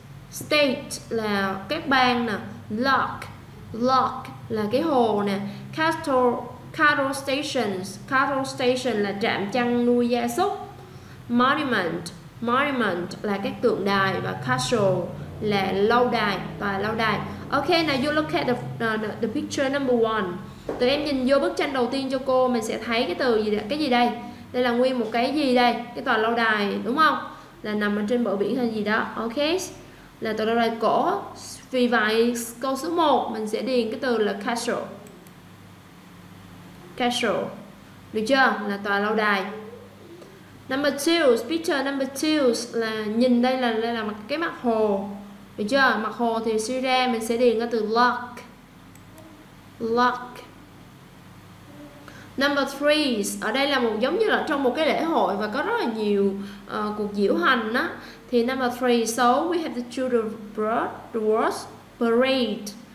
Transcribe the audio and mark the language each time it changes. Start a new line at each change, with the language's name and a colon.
Vietnamese: State là các bang nè. Lock. Lock là cái hồ nè. Cattle stations. Cattle station là trạm chăn nuôi gia súc. Monument. Monument là các tượng đài và castle là lâu đài, tòa lâu đài.
English: Okay, now you look at the picture number one.
Vietnamese: Tụi em nhìn vô bức tranh đầu tiên cho cô, mình sẽ thấy cái từ gì đây? Cái gì đây? Đây là nguyên một cái gì đây? Cái tòa lâu đài, đúng không? Là nằm ở trên bờ biển hay gì đó. Okay, là tòa lâu đài cổ. Vì vậy, câu số 1, mình sẽ điền cái từ là castle. Castle. Được chưa? Là tòa lâu đài. Number 2, picture number 2 là nhìn đây là cái mặt hồ. Được chưa? Mặt hồ thì suy ra mình sẽ điền cái từ lock. Lock. Number 3, ở đây là một giống như là trong một cái lễ hội và có rất là nhiều cuộc diễu hành á.
English: Thì number 3, so we have to choose the word parade.